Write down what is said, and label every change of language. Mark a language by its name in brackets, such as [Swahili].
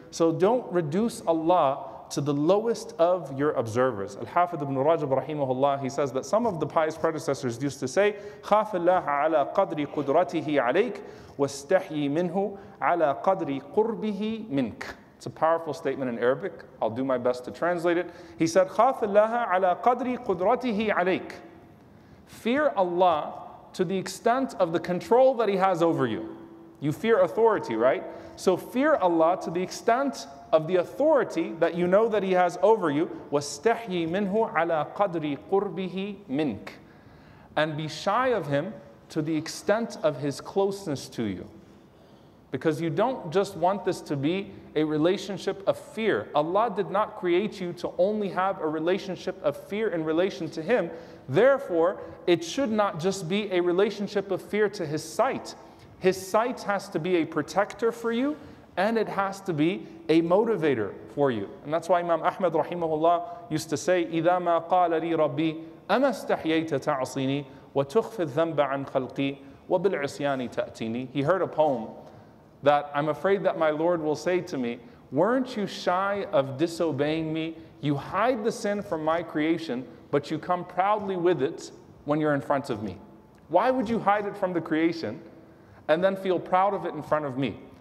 [English] So don't reduce Allah to the lowest of your observers. Al-Hafidh ibn Rajab rahimahullah, he says that some of the pious predecessors used to say, [Arabic] خاف الله على قدر قدرته عليك واستحي منه على قدر قربه منك. [English] It's a powerful statement in Arabic. I'll do my best to translate it. He said, [Arabic] خاف الله على قدر قدرته عليك. [English] Fear Allah to the extent of the control that He has over you. You fear authority, right? So fear Allah to the extent of the authority that you know that He has over you, [Arabic] وَاسْتَحْيِي مِنْهُ عَلَىٰ قَدْرِ قُرْبِهِ مِنْكِ, [English] and be shy of Him to the extent of His closeness to you. Because you don't just want this to be a relationship of fear. Allah did not create you to only have a relationship of fear in relation to Him. Therefore, it should not just be a relationship of fear to His sight. His sight has to be a protector for you, and it has to be a motivator for you. And that's why Imam Ahmad rahimahullah used to say, [Arabic] إِذَا مَا قَالَ لِي رَبِّي أَمَا اسْتَحْيَيْتَ تَعْصِينِي وَتُخْفِ الذَّنْبَ عَنْ خَلْقِي وَبِالْعِصْيَانِ تَأْتِينِي. [English] He heard a poem that, I'm afraid that my Lord will say to me, weren't you shy of disobeying me? You hide the sin from my creation, but you come proudly with it when you're in front of me. Why would you hide it from the creation and then feel proud of it in front of me?